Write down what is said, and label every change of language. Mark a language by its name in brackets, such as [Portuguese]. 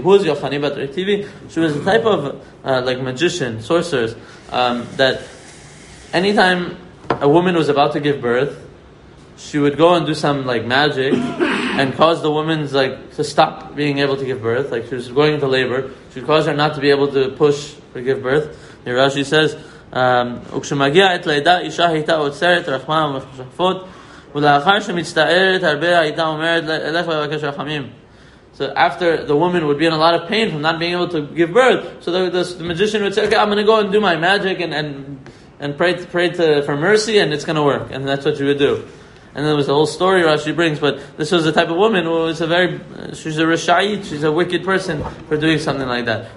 [English] Who is Yochani Batar TV? She was a type of like magician, sorceress, that anytime a woman was about to give birth, she would go and do some like magic and cause the woman's like to stop being able to give birth. Like she was going into labor. She'd cause her not to be able to push or give birth. And Rashi says, [Hebrew] וכשמגיעה את לידה אישה הייתה עוצרת רחמה ומחשפות ולאחר שמצטערת הרבה הייתה אומרת אלך לבקש רחמים. [English] So after the woman would be in a lot of pain from not being able to give birth, so the magician would say, okay, I'm going to go and do my magic and pray for mercy and it's going to work, and that's what you would do. And then there was the whole story Rashi brings, but this was the type of woman who was she's a rishayit, she's a wicked person for doing something like that.